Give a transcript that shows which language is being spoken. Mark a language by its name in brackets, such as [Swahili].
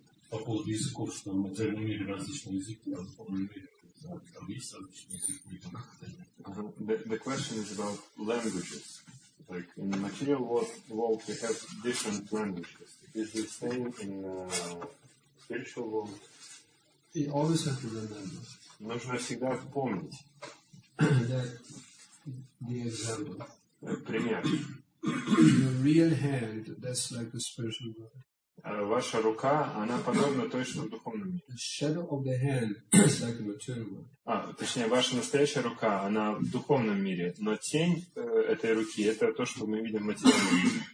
[Russian] По поводу языков, что в материальном мире различные языки, а в духовном мире там есть различные языки. [English] The question is about languages. Like in the material world we have different languages. Is the same in spiritual world? You always have to remember. [Russian] Нужно всегда помнить. [English] The example. [Russian] Пример. [English] Your real hand, that's like a spiritual world. [Russian] Ваша рука, она подобна той, что в духовном мире. [English] The shadow of the hand is like a material world. [Russian] Точнее, ваша настоящая рука, она в духовном мире, но тень этой руки — это то, что мы видим в материальном мире.